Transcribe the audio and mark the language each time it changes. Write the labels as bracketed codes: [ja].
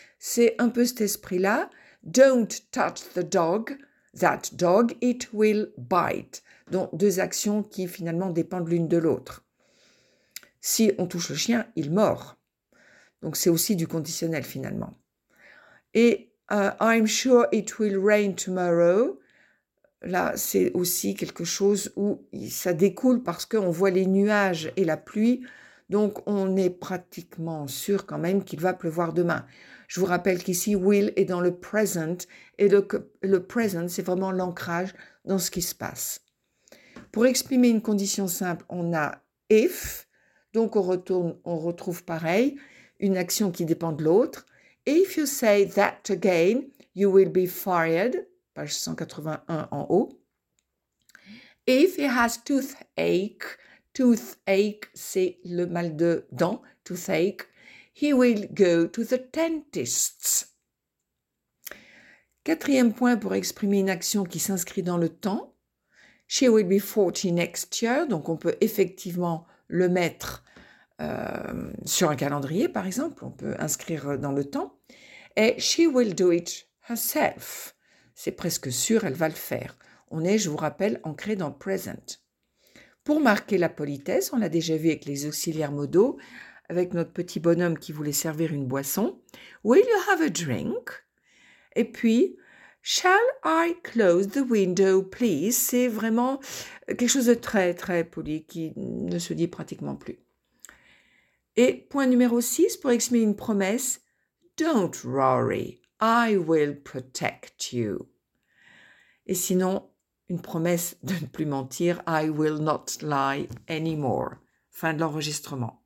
[fr] C'est un peu cet esprit-là. [en] Don't touch the dog. That dog, it will bite. [fr] Donc, deux actions qui finalement dépendent l'une de l'autre. Si on touche le chien, il mord. Donc, c'est aussi du conditionnel finalement. [en] Et I'm sure it will rain tomorrow. [fr] Là, c'est aussi quelque chose où ça découle parce qu'on voit les nuages et la pluie. Donc, on est pratiquement sûr quand même qu'il va pleuvoir demain. Je vous rappelle qu'ici, will est dans le present. Et le present, c'est vraiment l'ancrage dans ce qui se passe. Pour exprimer une condition simple, on a if. Donc, on retrouve pareil, une action qui dépend de l'autre. [en] If you say that again, you will be fired. [fr] Page 181 en haut. [en] If he has toothache. [fr] Toothache, c'est le mal de dents, toothache. [en] He will go to the dentist. [fr] Quatrième point pour exprimer une action qui s'inscrit dans le temps. [en] She will be 40 next year. [fr] Donc, on peut effectivement le mettre sur un calendrier, par exemple. On peut inscrire dans le temps. [en] Et she will do it herself. [fr] C'est presque sûr, elle va le faire. On est, je vous rappelle, ancré dans le present. Pour marquer la politesse, on l'a déjà vu avec les auxiliaires modaux, avec notre petit bonhomme qui voulait servir une boisson. [en] Will you have a drink? [fr] Et puis, [en] shall I close the window, please? [fr] C'est vraiment quelque chose de très, très poli qui ne se dit pratiquement plus. Et point numéro 6 pour exprimer une promesse. [en] Don't worry, I will protect you. [fr] Et sinon, une promesse de ne plus mentir, [en] I will not lie anymore. [fr] Fin de l'enregistrement.